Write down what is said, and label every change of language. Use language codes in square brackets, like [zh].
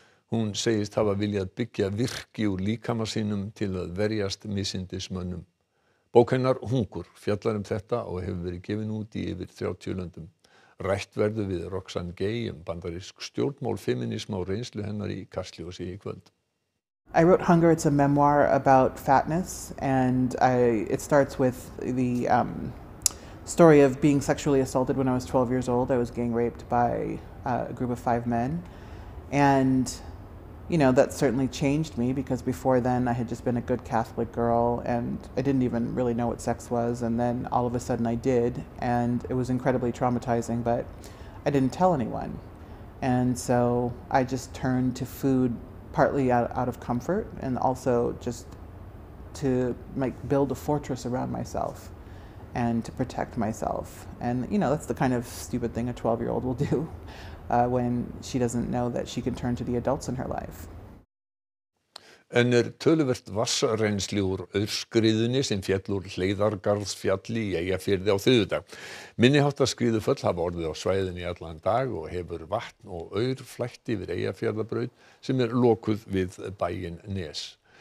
[is] Hún segist hafa viljað byggja virki úr líkama sínum til að verjast misindismönnum. Bók hennar Hungur fjallar þetta og hefur verið gefin út í yfir 30 löndum. Rætt verður við Roxane Gay bandarísk stjórnmál feminisma og reynslu hennar í Kastljósi í kvöld. [en] I wrote Hunger, it's a memoir about fatness, and it starts with the story of being sexually assaulted when I was 12 years old. I was gang raped by a group of 5 men, and you know, that certainly changed me, because before then I had just been a good Catholic girl, and I didn't even really know what sex was, and then all of a sudden I did, and it was incredibly traumatizing, but I didn't tell anyone, and so I just turned to food partly out of comfort and also just to like build a fortress around myself and to protect myself. And you know, that's the kind of stupid thing a 12-year-old will do when she doesn't know that she can turn to the adults in her life. [is] En er töluvert vatnsrennsli úr aurskriðunni sem féll úr Hleiðargarðsfjalli í Eyjafirði á þriðjudag. Minniháttarskriðuföll hafa orðið á svæðinni í allan dag og hefur vatn og aur flætt yfir Eyjafjarðarbraut sem er lokuð við bæinn Nes.